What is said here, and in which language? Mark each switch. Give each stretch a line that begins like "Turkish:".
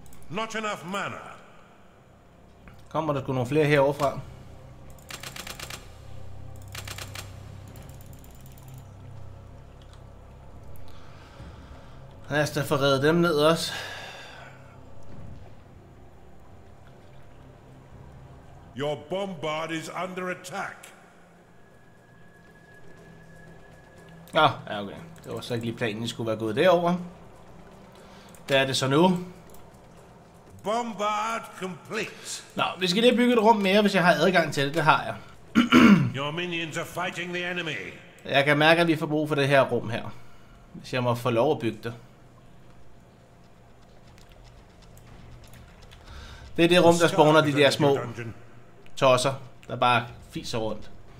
English: Not enough mana.
Danish: Kommer der sgu nogle flere heroverfra? Lad os da få reddet dem ned også.
English: Your bombard is under attack.
Danish: Ja, okay. Det var så ikke lige planen, at skulle være gået derover. Der er det så nu.
English: Bombard complete.
Danish: Nå, vi skal lige bygge et rum mere, hvis jeg har adgang til det. Det har jeg.
English: Your minions are fighting the enemy.
Danish: Jeg kan mærke, at vi får brug for det her rum her. Hvis jeg må få lov at bygge det. Det er det rum, der spawner de der små tosser, der bare fiser rundt.